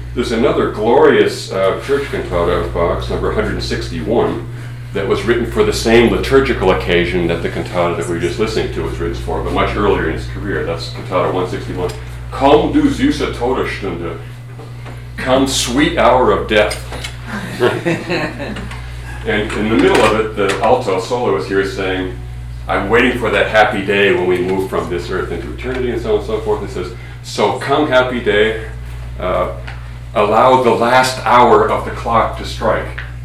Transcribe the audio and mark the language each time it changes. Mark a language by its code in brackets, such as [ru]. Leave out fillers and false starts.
[en] There's another glorious church cantata of Bach's, number 161, that was written for the same liturgical occasion that the cantata that we were just listening to was written for, but much earlier in his career. That's cantata 161. [de] Komm, du süße Todesstunde. [en] Come, sweet hour of death. And in the middle of it, the alto soloist here is saying, I'm waiting for that happy day when we move from this earth into eternity, and so on and so forth. It says, so come, happy day, allow the last hour of the clock to strike.